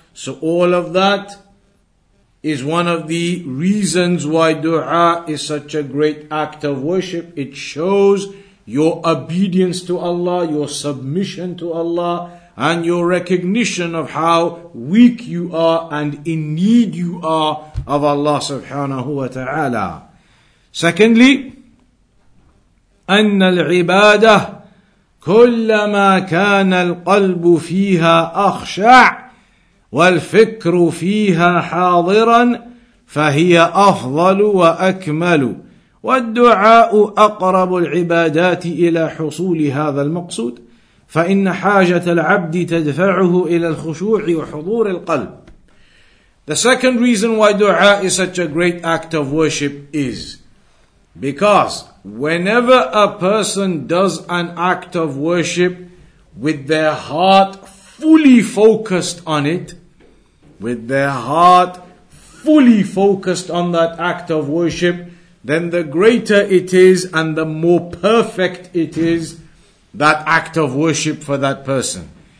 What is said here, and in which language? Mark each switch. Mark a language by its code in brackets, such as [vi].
[en] So all of that is one of the reasons why dua is such a great act of worship. It shows your obedience to Allah, your submission to Allah, and your recognition of how weak you are and in need you are of Allah subhanahu wa ta'ala. Secondly, [ar] أن العبادة كلما كان القلب فيها أخشع والفكر فيها حاضرا فهي أفضل وأكمل والدعاء أقرب العبادات إلى حصول هذا المقصود فإن حاجة العبد تدفعه إلى الخشوع وحضور القلب. [en] The second reason why dua is such a great act of worship is because whenever a person does an act of worship with their heart fully focused on it, with their heart fully focused on that act of worship, then the greater it is and the more perfect it is, that act of worship for that person.